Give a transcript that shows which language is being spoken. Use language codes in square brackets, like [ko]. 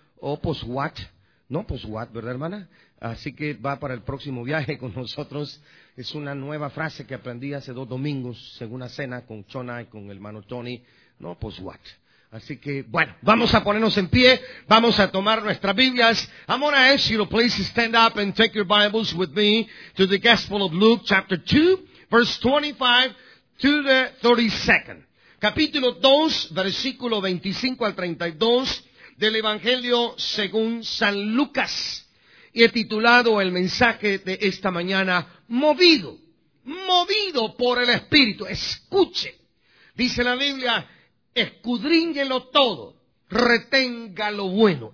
[es] ¿Verdad, hermana? Así que va para el próximo viaje con nosotros. Es una nueva frase que aprendí hace 2 domingos en una cena con Chona y con el hermano Tony. Así que, bueno, vamos a ponernos en pie, vamos a tomar nuestras Biblias. [en] I'm going to ask you to please stand up and take your Bibles with me to the Gospel of Luke, chapter 2, verse 25 to the 32nd. [es] Capítulo 2, versículo 25 al 32 del Evangelio según San Lucas. Y he titulado el mensaje de esta mañana, Movido, movido por el Espíritu. Escuche, dice la Biblia, escudríñelo todo, retenga lo bueno.